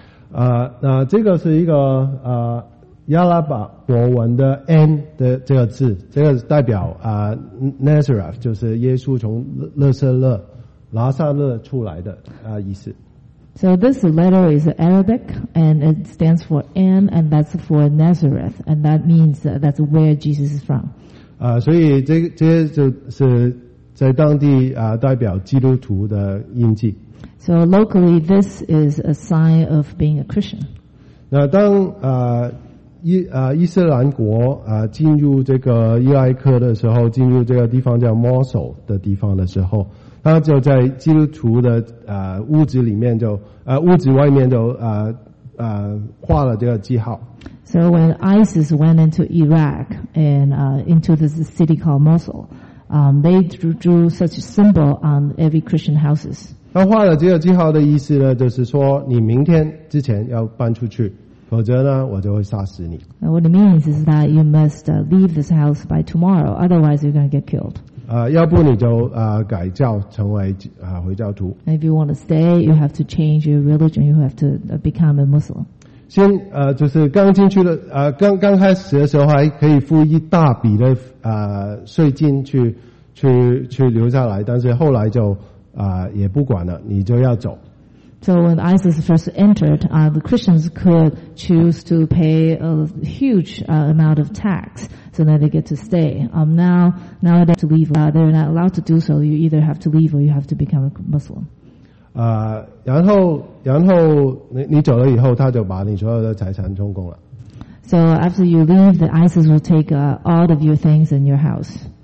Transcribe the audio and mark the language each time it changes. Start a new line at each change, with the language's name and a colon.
Chinese: 那这个是一个亚拉伯国文的 N 的这个字，这个代表Nazareth, 就是耶稣从拉萨勒出来的意思。
English: So this letter is Arabic, and it stands for N, and that's for Nazareth, and that means that's where Jesus is from.
Chinese: 所以这就是在当地代表基督徒的印记。
English: So locally, this is a sign of being a Christian.
Chinese: 那当伊斯兰国进入这个伊拉克的时候，进入这个地方叫 Mosul 的地方的时候，他就在基督徒的屋子里面就屋子外面就画了这个记号。
English: So when ISIS went into Iraq and into this city called Mosul, they drew such a symbol on every Christian houses.
Chinese: 他画了这个记号的意思呢，就是说你明天之前要搬出去，否则呢我就会杀死你。
English: What it means is that you must leave this house by tomorrow, otherwise you're going to get killed.
Chinese: 要不你就改教成为回教徒。
English: If you want to stay, you have to change your religion. You have to become a Muslim.
Chinese: 先就是刚进去的刚开始的时候还可以付一大笔的税金去留下来，但是后来就也不管了，你就要走。
English: So when ISIS first entered, the Christians could choose to pay a huge amount of tax so that they get to stay. Now they have to leave. They're not allowed to do so. You either have to leave or you have to become a Muslim.
Chinese: 然后你走了以后，他就把你所有的财产充公了。
English: So after you leave, the ISIS will take all of your things in your house.